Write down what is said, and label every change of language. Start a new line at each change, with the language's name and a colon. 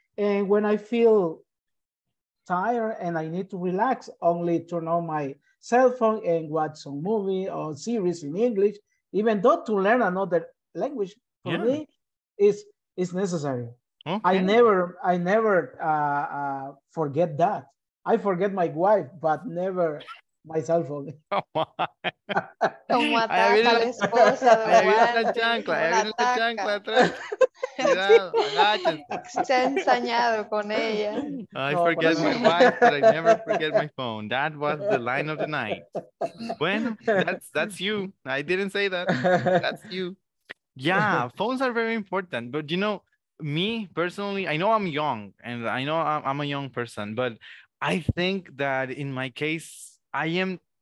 English: And when I feel tired and I need to relax, only turn on my cell phone and watch some movie or series in English, even though to learn another language for me is necessary. Okay. I never forget that. I forget my wife, but never my cell phone.
Spanish: Como atrás a la esposa, ¿verdad? Ahí viene la chancla, ahí viene la chancla atrás. Se ha ensañado con ella.
English: I forget my wife, but I never forget my phone. That was the line of the night. Bueno, that's you. I didn't say that. That's you. Yeah, phones are very important, but you know, me personally, I know I'm young and I know I'm a young person, but I think that in my case, I am